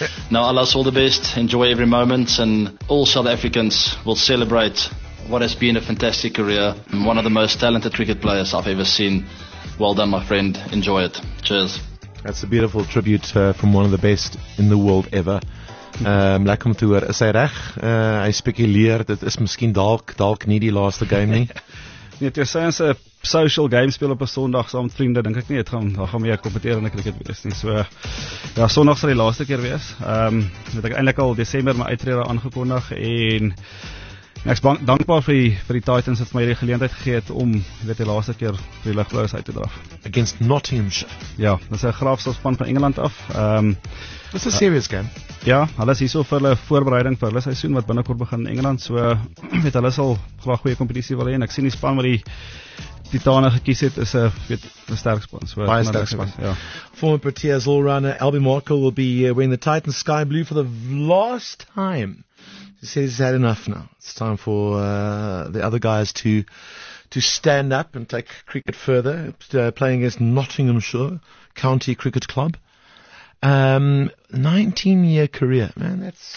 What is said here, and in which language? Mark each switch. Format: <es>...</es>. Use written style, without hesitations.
<en>Now, Allah's all the best. Enjoy every moment, and all South Africans will celebrate what has been a fantastic career. And one of the most talented cricket players I've ever seen. Well done, my friend. Enjoy it. Cheers. That's a beautiful tribute from one of the best in the world ever.</en> <af>Lekker om te hoor, is hy reg? Hy spekuleer, dit is miskien dalk nie die laaste game nie. Nee, jy sê ons 'n social game speel op 'n Sondag saam met vriende, dink ek nie, dit gaan meer 'n kompeterende cricket wees nie. So ja, Sondag sal die laaste keer wees. Het ek eintlik al Desember my uitrede aangekondig en ek is dankbaar vir die Titans wat my die geleentheid gegee het om dit die laaste keer vir die ligblous uit te draf.</af> <en>Against Nottinghamshire.</en> <af>Ja, dis 'n grafsalspan van Engeland af. Dis 'n serious game. Ja, hulle is hier so vir hulle voorbereiding vir hulle seisoen wat binnenkort begin in Engeland. So met hulle sal graag goeie competitie wil hê en ek sien die span wat die Titane gekies het is 'n sterk span. So, baie sterk span. Ja.</af> <en>Former Proteas all-rounder Albie Markle will be wearing the Titans sky blue for the last time. He says he's had enough now. It's time for the other guys to stand up and take cricket further. Playing against Nottinghamshire County Cricket Club. 19-year career, man.</en>